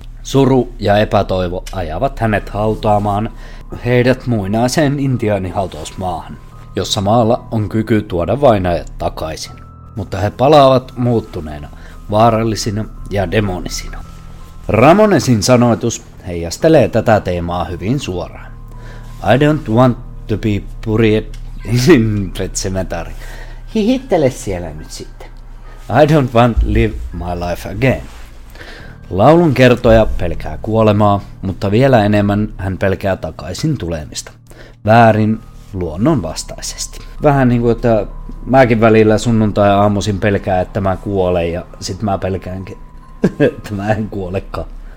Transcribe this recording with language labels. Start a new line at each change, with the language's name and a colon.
Finnish: Suru ja epätoivo ajavat hänet hautaamaan heidät muinaiseen intiaanihautausmaahan, jossa maalla on kyky tuoda vainajat takaisin. Mutta he palaavat muuttuneena, vaarallisina ja demonisina. Ramonesin sanoitus heijastelee tätä teemaa hyvin suoraan.
English: I don't want to be buried in Pet Sematary.
Finnish: Hihittele siellä nyt sitten.
English: I don't want to live my life again.
Finnish: Laulun kertoja pelkää kuolemaa, mutta vielä enemmän hän pelkää takaisin tulemista. Väärin luonnonvastaisesti. Vähän niin kuin, että mäkin välillä sunnuntai-aamuisin pelkää, että mä kuolen, ja sit mä pelkäänkin, että mä en kuolekaan.